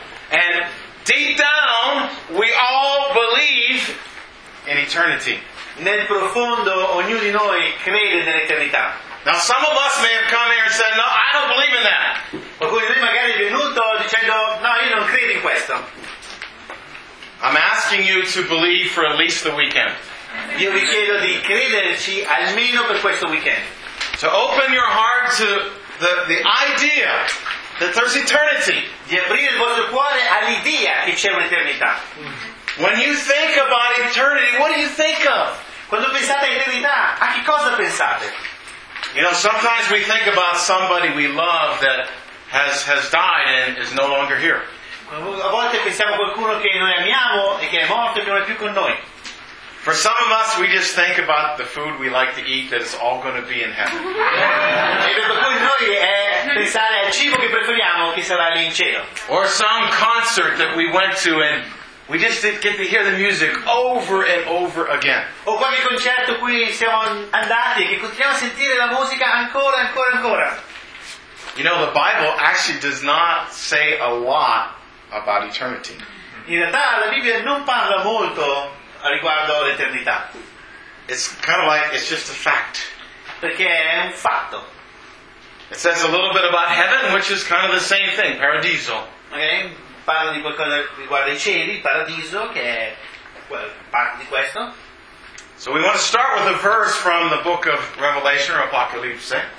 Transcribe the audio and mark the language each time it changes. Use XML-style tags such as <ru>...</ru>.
<en>And deep down, we all believe in eternity.</en> <it>Nel profondo, ognuno di noi crede nell'eternità.</it> <en>Now, some of us may have come here and said, "No, I don't believe in that."</en> <it>Qualcuno di noi magari è venuto dicendo, "No, io non credo in questo."</it> <en>I'm asking you to believe for at least the weekend.</en> <it>Io vi chiedo di crederci almeno per questo weekend.</it> <en>To open your heart to the idea that there's eternity.</en> <it>Di aprire il vostro cuore all'idea che c'è un'eternità.</it> <en>When you think about eternity, what do you think of?</en> <it>Quando pensate all'eternità, a che cosa pensate?</it> <en>You know, sometimes we think about somebody we love that has died and is no longer here.</en> <it>A volte pensiamo a qualcuno che noi amiamo e che è morto e che non è più con noi.</it> <en>For some of us, we just think about the food we like to eat that is all going to be in heaven.</en> <it>E per qualcuno di noi è pensare al cibo che preferiamo che sarà lì in cielo.</it> <en>Or some concert that we went to and we just didn't get to hear the music over and over again.</en> <it>O qualche concerto cui siamo andati e che continuiamo a sentire la musica ancora, ancora, ancora.</it> <en>You know, the Bible actually does not say a lot about eternity.</en> <it>In realtà la Bibbia non parla molto riguardo l'eternità.</it> <en>It's kind of like it's just a fact.</en> <it>Perché è un fatto.</it> <en>It says a little bit about heaven, which is kind of the same thing, paradiso. Okay?</en> <it>Parla di qualcosa riguardo i cieli, paradiso, che è parte di questo.</it> <en>So we want to start with a verse from the book of Revelation or Apocalypse.</en>